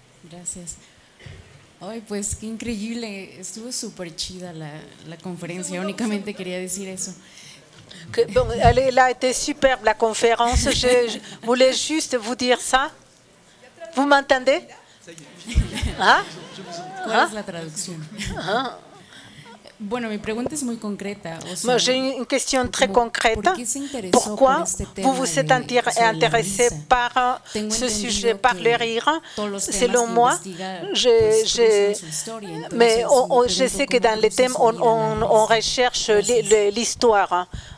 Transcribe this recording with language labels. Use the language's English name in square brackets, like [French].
[Spanish] Gracias. Ay, pues qué increíble, estuvo súper chida la conferencia, segundo, únicamente quería decir eso. [French] Que, bon, elle a été superbe la conférence, je voulais juste vous dire ça. Vous m'entendez? [Spanish] ¿Cuál es la traducción? Bueno, mi pregunta es muy concreta. [French] J'ai une question très concrète. Pourquoi vous vous êtes intéressé par ce sujet, par le rire? Selon moi, je sais que dans les thèmes, on recherche l'histoire.